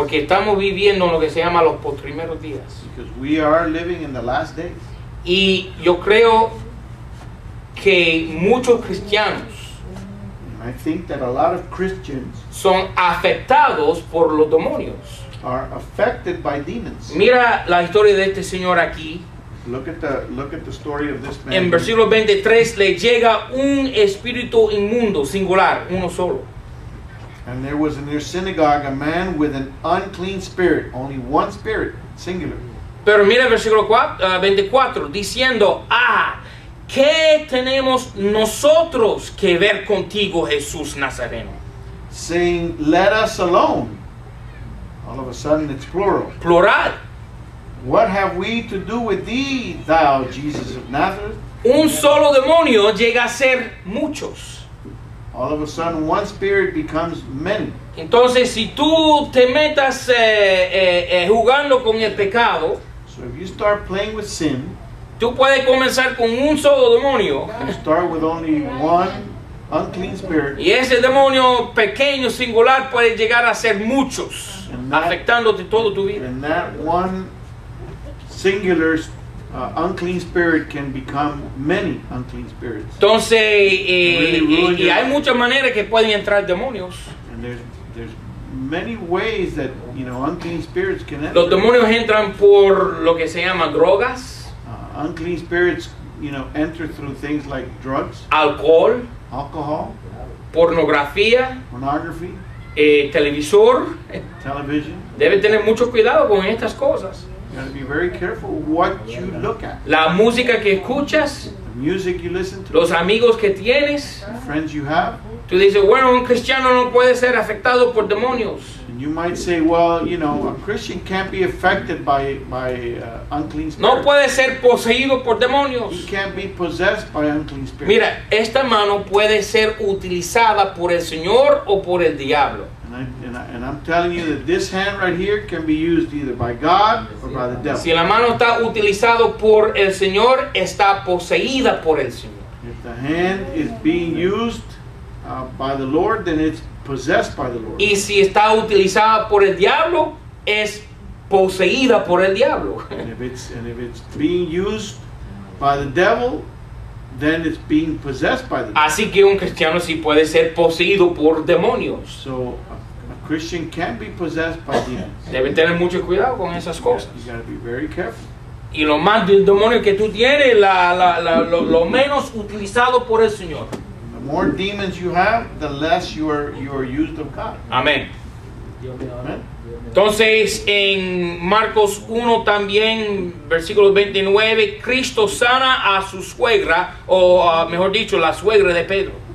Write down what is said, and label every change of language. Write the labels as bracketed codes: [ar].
[es] Porque estamos viviendo lo que se llama los postrimeros días. [en] Because we are living in the last days. [es] Y yo creo que muchos cristianos, [en] and I think that a lot of Christians, [es] son afectados por los demonios. [en] Are affected by demons. [es] Mira la historia de este señor aquí. [en] Look at the story of this man. [es] En versículo 23 le llega un espíritu inmundo, singular, uno solo. [en] And there was in their synagogue a man with an unclean spirit, only one spirit, singular. [es] Pero mira el versículo 24, diciendo, ah, ¿qué tenemos nosotros que ver contigo, Jesús Nazareno? [en] Saying, let us alone. All of a sudden it's plural. Plural. What have we to do with thee, thou Jesus of Nazareth? [es] Un solo demonio llega a ser muchos. [en] All of a sudden, one spirit becomes many. [es] Entonces, si tú te metas jugando con el pecado, [en] so if you start playing with sin, [es] tú puedes comenzar con un solo demonio. [en] You start with only one unclean spirit. [es] Y ese demonio pequeño, singular, puede llegar a ser muchos, afectándote toda tu vida. [en] And that one singular unclean spirit can become many unclean spirits. [es] Entonces, [en] really, [es] hay muchas maneras que pueden entrar demonios. [en] And there's many ways that, you know, unclean spirits can enter. [es] Los demonios entran por lo que se llama drogas. [en] Unclean spirits, you know, enter through things like drugs. [es] Alcohol. [en] Alcohol. [es] Pornografía. [en] Pornography. [es] Televisor. [en] Television. [es] Debe tener mucho cuidado con estas cosas. [en] You gotta be very careful what you look at. [es] La música que escuchas. [en] The music you listen to. [es] Los amigos que tienes. [en] The friends you have. [es] Tú dices, bueno, un cristiano no puede ser afectado por demonios. [en] And you might say, well, you know, a Christian can't be affected by unclean spirits. [es] No puede ser poseído por demonios. [en] He can't be possessed by unclean spirits. [es] Mira, esta mano puede ser utilizada por el Señor o por el diablo. [en] And I'm telling you that this hand right here can be used either by God or by the devil. [es] Si la mano está utilizado por el Señor, está poseída por el Señor. [en] If the hand is being used by the Lord, then it's possessed by the Lord. [es] Y si está utilizada por el diablo, es poseída por el diablo. [en] And if it's being used by the devil, then it's being possessed by the devil. [es] Así que un cristiano sí puede ser poseído por demonios. [en] So Christian can be possessed by demons. [es] Debe tener mucho cuidado con esas cosas. [en] You gotta be very careful. [es] Y lo más del demonio que tú tienes, lo menos utilizado por el Señor. [en] The more demons you have, the less you are used of God. Amen. Yeah. [es] Entonces en Marcos 1 también, versículo 29, Cristo sana a su suegra, o mejor dicho, la suegra de Pedro.